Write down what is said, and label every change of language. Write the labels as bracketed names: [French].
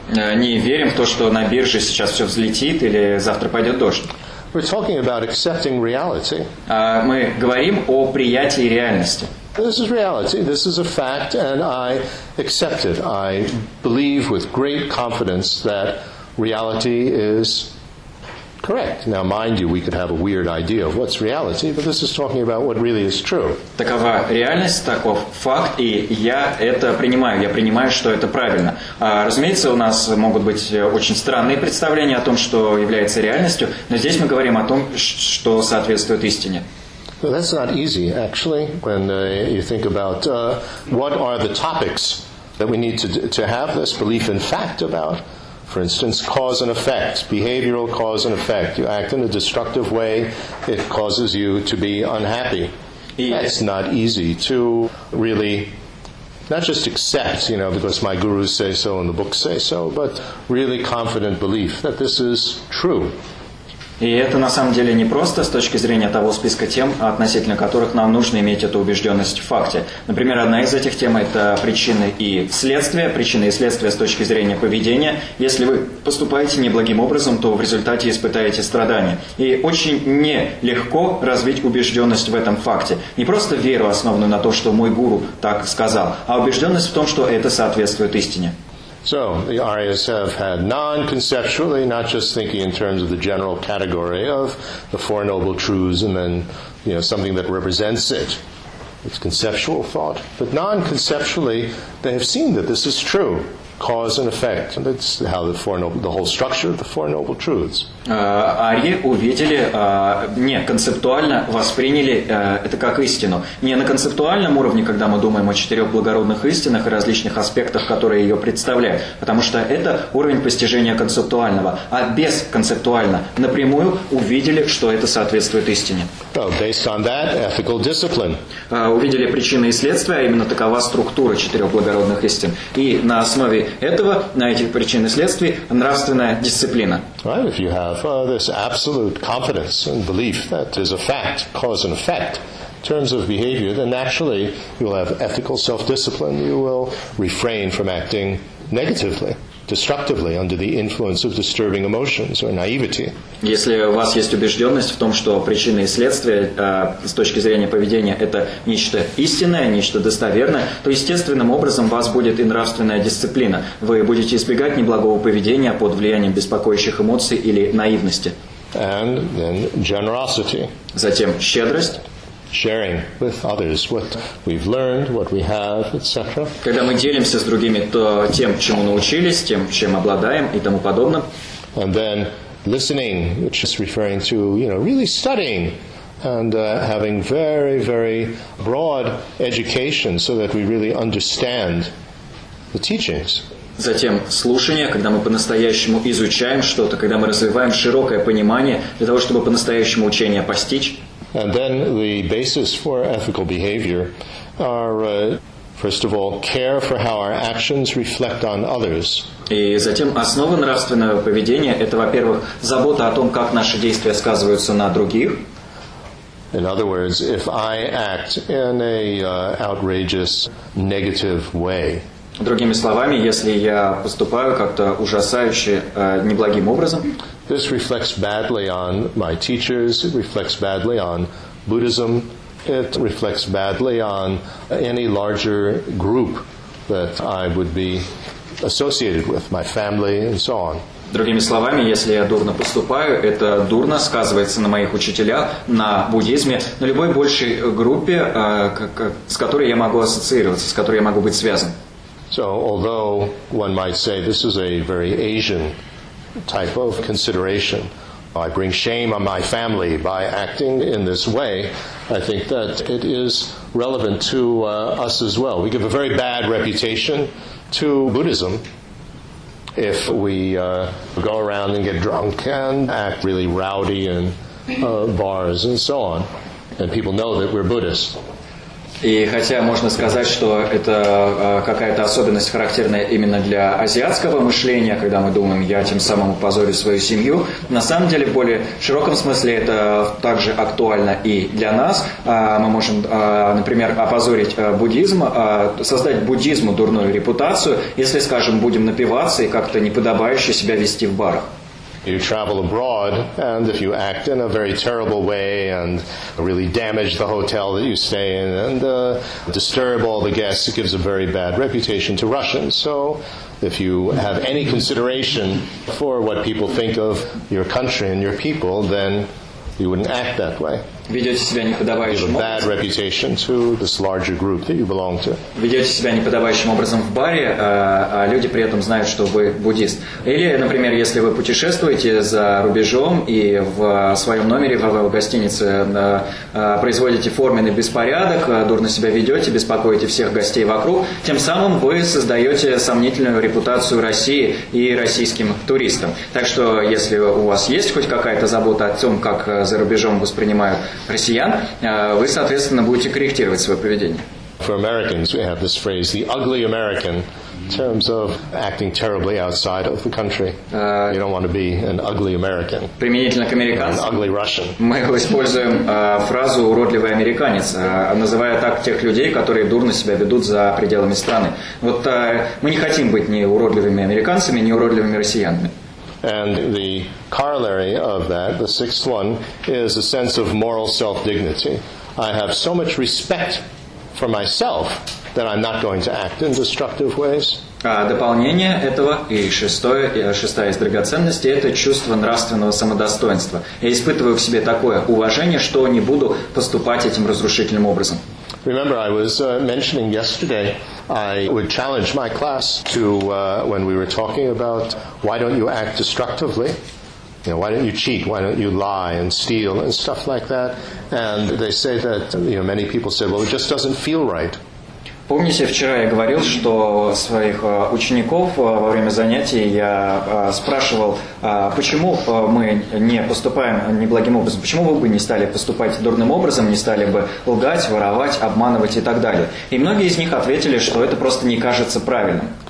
[Russian] Не верим в то, что на бирже сейчас все взлетит или завтра пойдет дождь. [English] We're talking about accepting reality. [Russian] Мы говорим о принятии реальности. [English] This is reality. This is a fact, and I accept it. I believe with great confidence that reality is correct. Now, mind you, we could have a weird idea of what's reality, but this is talking about what really is true. [Russian] Такова реальность, таков факт, и я это принимаю. Я принимаю, что это правильно. Разумеется, у нас могут быть очень странные представления о том, что является реальностью, но здесь мы говорим о том, что соответствует истине. [English] So that's not easy, actually, when you think about what are the topics that we need to have this belief in fact about. For instance, cause and effect, behavioral cause and effect. You act in a destructive way, it causes you to be unhappy. It's not easy to really not just accept, you know, because my gurus say so and the books say so, but really confident belief that this is true. [Russian] И это на самом деле не просто с точки зрения того списка тем, относительно которых нам нужно иметь эту убежденность в факте. Например, одна из этих тем – это причины и следствия. Причины и следствия с точки зрения поведения. Если вы поступаете неблагим образом, то в результате испытаете страдания. И очень нелегко развить убежденность в этом факте. Не просто веру, основанную на том, что мой гуру так сказал, а убежденность в том, что это соответствует истине. [English] So, the Aryas have had non-conceptually, not just thinking in terms of the general category of the Four Noble Truths and then, you know, something that represents it. It's conceptual thought. But non-conceptually, they have seen that this is true. Cause and effect. That's how the Four Noble, the whole structure of the Four Noble Truths. [Russian] Арьи увидели, не концептуально восприняли это как истину. Не на концептуальном уровне, когда мы думаем о четырех благородных истинах и различных аспектах, которые ее представляют. Потому что это уровень постижения концептуального. А бесконцептуально, напрямую увидели, что это соответствует истине. [English] Well, based on that, ethical discipline. [Russian] Увидели причины и следствия, а именно такова структура четырех благородных истин. И на основе этого, на этих причин и следствий, нравственная дисциплина. [English] Right, if you have this absolute confidence and belief that is a fact, cause and effect, in terms of behavior, then naturally you'll have ethical self-discipline, you will refrain from acting negatively, destructively, under the influence of disturbing emotions or naivety. [Russian] Если у вас есть убежденность в том, что причины и следствия с точки зрения поведения это нечто истинное, нечто достоверное, то естественным образом у вас будет и нравственная дисциплина. Вы будете избегать неблагого поведения под влиянием беспокоящих эмоций или наивности. [English] And then generosity. [Russian] Затем щедрость. [English] Sharing with others what we've learned, what we have, etc. [Russian] Когда мы делимся с другими то тем, чему научились, тем, чем обладаем и тому подобным. [English] And then listening, which is referring to, you know, really studying and having very, very broad education so that we really understand the teachings. [Russian] Затем слушание, когда мы по-настоящему изучаем что-то, когда мы развиваем широкое понимание для того, чтобы по-настоящему учение постичь. [English] And then the basis for ethical behavior are, first of all, care for how our actions reflect on others. [Russian] И затем основа нравственного поведения – это, во-первых, забота о том, как наши действия сказываются на других. [English] In other words, if I act in a outrageous, negative way. [Russian] Другими словами, если я поступаю как-то ужасающе, неблагим образом. [English] This reflects badly on my teachers, it reflects badly on Buddhism, it reflects badly on any larger group that I would be associated with, my family and so on. [Russian] Другими словами, если я дурно поступаю, это дурно сказывается на моих учителях, на буддизме, на любой большей группе, с которой я могу ассоциироваться, с которой я могу быть связан. [English] So, although one might say this is a very Asian type of consideration, I bring shame on my family by acting in this way, I think that it is relevant to us as well. We give a very bad reputation to Buddhism if we go around and get drunk and act really rowdy in bars and so on, and people know that we're Buddhists. [Russian] И хотя можно сказать, что это какая-то особенность, характерная именно для азиатского мышления, когда мы думаем, я тем самым упозорю свою семью, на самом деле в более широком смысле это также актуально и для нас. Мы можем, например, опозорить буддизм, создать буддизму дурную репутацию, если, скажем, будем напиваться и как-то неподобающе себя вести в барах. [English] You travel abroad, and if you act in a very terrible way and really damage the hotel that you stay in and disturb all the guests, it gives a very bad reputation to Russians. So if you have any consideration for what people think of your country and your people, then you wouldn't act that way. [Russian] Ведете себя неподобающим образом. [English] You have a bad reputation to this larger group that you belong to. [Russian] Ведете себя неподобающим образом в баре, а люди при этом знают, что вы буддист. Или, например, если вы путешествуете за рубежом и в своем номере в гостинице производите форменный беспорядок, дурно себя ведете, беспокоите всех гостей вокруг, тем самым вы создаете сомнительную репутацию России и российским туристам. Так что, если у вас есть хоть какая-то забота о том, как за рубежом воспринимают россиян, вы, соответственно, будете корректировать свое поведение. [English] For Americans, we have this phrase, the ugly American, in terms of acting terribly outside of the country. You don't want to be an ugly American. [Russian] Применительно к американцам. [English] An ugly Russian. [Russian] Мы используем фразу «уродливый американец», называя так тех людей, которые дурно себя ведут за пределами страны. Вот мы не хотим быть ни уродливыми американцами, ни уродливыми россиянами. [English] And the corollary of that, the sixth one, is a sense of moral self-dignity. I have so much respect for myself that I'm not going to act in destructive ways. [Russian] Дополнение этого и шестая из драгоценностей — это чувство нравственного самодостоинства. Я испытываю в себе такое уважение, что не буду поступать этим разрушительным образом. [English] Remember, I was mentioning yesterday, I would challenge my class to when we were talking about why don't you act destructively? You know, why don't you cheat? Why don't you lie and steal and stuff like that? And they say that, you know, many people say, well, it just doesn't feel right. [Russian] Помните, вчера я говорил, что своих учеников во время занятий я спрашивал, почему мы не поступаем неблагим образом, почему вы бы не стали поступать дурным образом, не стали бы лгать, воровать, обманывать и так далее. И многие из них ответили, что это просто не кажется правильным.